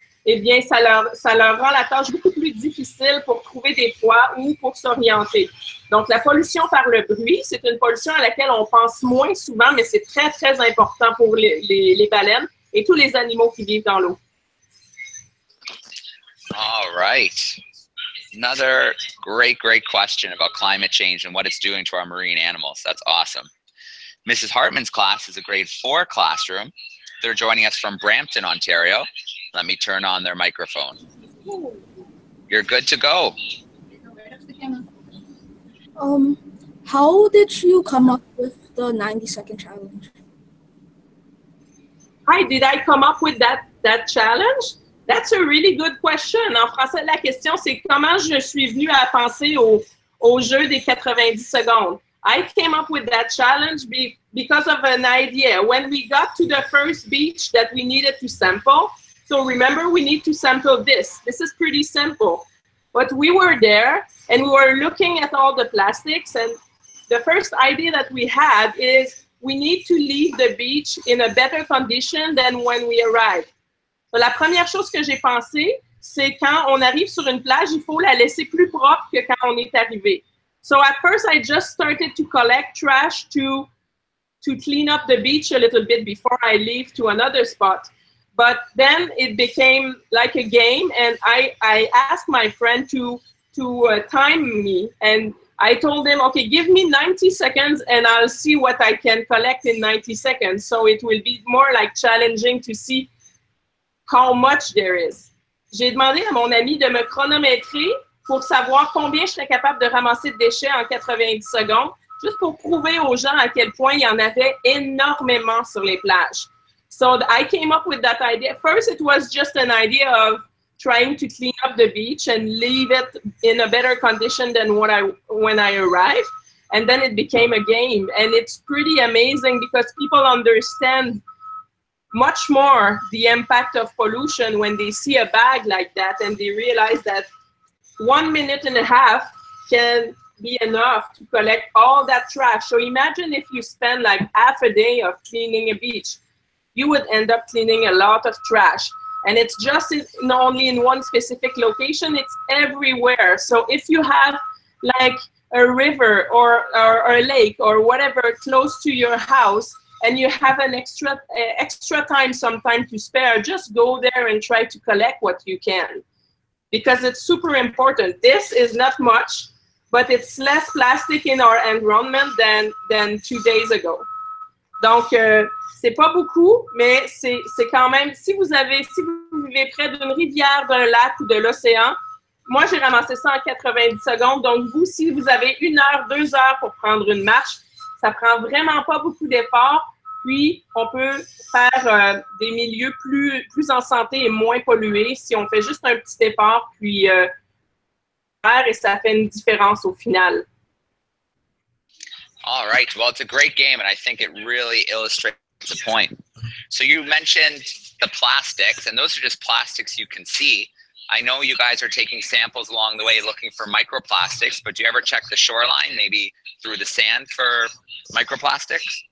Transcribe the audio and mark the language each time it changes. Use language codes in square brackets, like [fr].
[fr] eh bien, ça leur rend la tâche beaucoup plus difficile pour trouver des proies ou pour s'orienter. Donc, la pollution par le bruit, c'est une pollution à laquelle on pense moins souvent, mais c'est très, très important pour les baleines et tous les animaux qui vivent dans l'eau. [en] All right. Another great, great question about climate change and what it's doing to our marine animals. That's awesome. Mrs. Hartman's class is a grade 4 classroom. They're joining us from Brampton, Ontario. Let me turn on their microphone. You're good to go. How did you come up with the 90-second challenge? Hi, did I come up with that challenge? That's a really good question. [fr] En français, la question, c'est comment je suis venue à penser au jeu des 90 secondes. [en] I came up with that challenge because of an idea. When we got to the first beach that we needed to sample, so remember, we need to sample this. This is pretty simple. But we were there, and we were looking at all the plastics, and the first idea that we had is we need to leave the beach in a better condition than when we arrived. [fr] So la première chose que j'ai pensé, c'est quand on arrive sur une plage, il faut la laisser plus propre que quand on est arrivé. [en] So at first, I just started to collect trash to clean up the beach a little bit before I leave to another spot. But then it became like a game, and I asked my friend to time me, and I told him, okay, give me 90 seconds, and I'll see what I can collect in 90 seconds. So it will be more like challenging to see how much there is. [fr] J'ai demandé à mon ami de me chronométrer pour savoir combien je serais capable de ramasser de déchets en 90 secondes, juste pour prouver aux gens à quel point il y en avait énormément sur les plages. [en] So I came up with that idea. First, it was just an idea of trying to clean up the beach and leave it in a better condition than when I arrived. And then it became a game. And it's pretty amazing because people understand much more the impact of pollution when they see a bag like that and they realize that 1 minute and a half can be enough to collect all that trash. So imagine if you spend like half a day of cleaning a beach, you would end up cleaning a lot of trash. And it's just not only in one specific location, it's everywhere. So if you have like a river or a lake or whatever close to your house, and you have an extra time sometime to spare, just go there and try to collect what you can. Because it's super important. This is not much, but it's less plastic in our environment than 2 days ago. [fr] Donc, c'est pas beaucoup, mais c'est quand même, si vous vivez près d'une rivière, d'un lac ou de l'océan, moi j'ai ramassé ça en 90 secondes, donc vous, si vous avez une heure, deux heures pour prendre une marche, ça prend vraiment pas beaucoup d'efforts, puis on peut faire des milieux plus en santé et moins pollués si on fait juste un petit effort, puis faire, et ça fait une différence au final. [en] All right. Well, it's a great game, and I think it really illustrates the point. So you mentioned the plastics, and those are just plastics you can see. I know you guys are taking samples along the way looking for microplastics, but do you ever check the shoreline, maybe through the sand, for microplastics?